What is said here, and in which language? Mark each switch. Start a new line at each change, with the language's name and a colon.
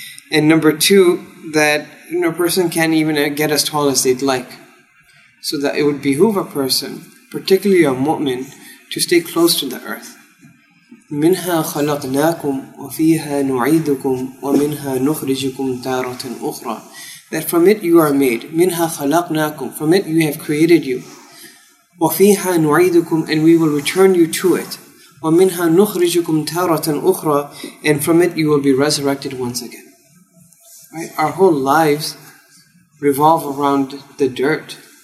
English: And number two, that a person can't even get as tall as they'd like. So that it would behoove a person, particularly a mu'min, to stay close to the earth.
Arabic: منها خلقناكم وفيها نعيدكم ومنها نخرجكم تارة أخرى.
English: That from it you are made.
Arabic: منها خلقناكم.
English: From it we have created you.
Arabic: وفيها نعيدكم.
English: And we will return you to it.
Arabic: ومنها نخرجكم تارة أخرى.
English: And from it you will be resurrected once again. Right? Our whole lives revolve around the dirt.